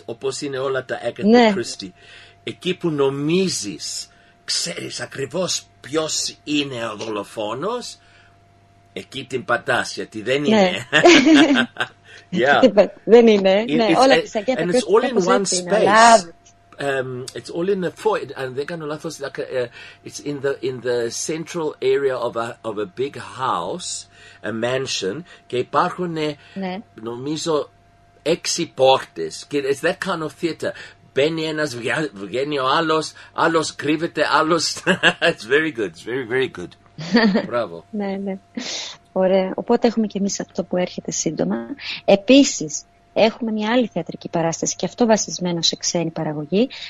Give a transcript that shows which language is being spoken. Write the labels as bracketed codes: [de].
[el] Όπως είναι όλα τα Agatha Christie. Εκεί που νομίζεις, ξέρεις ακριβώς ποιος είναι ο δολοφόνος, εκεί την πατάς, γιατί δεν είναι. Δεν είναι. Όλα τις Agatha Christie. [en] And it's all in one space. It's all in the foyer, and they're going to love us. Like it's in the central area of a big house, a mansion. [el] Και υπάρχουν νομίζω έξι πόρτες. [en] It's that kind of theater. [el] Μπαίνει ένας, βγαίνει ο άλλος, άλλος κρύβεται, άλλος. [en] It's very good. It's very, very good. Μπράβο. [el] Ναι, ναι. Ωραία. Οπότε έχουμε και εμείς αυτό που έρχεται σύντομα. Επίσης, έχουμε μια άλλη θεατρική παράσταση και αυτό βασισμένο σε ξένη παραγωγή.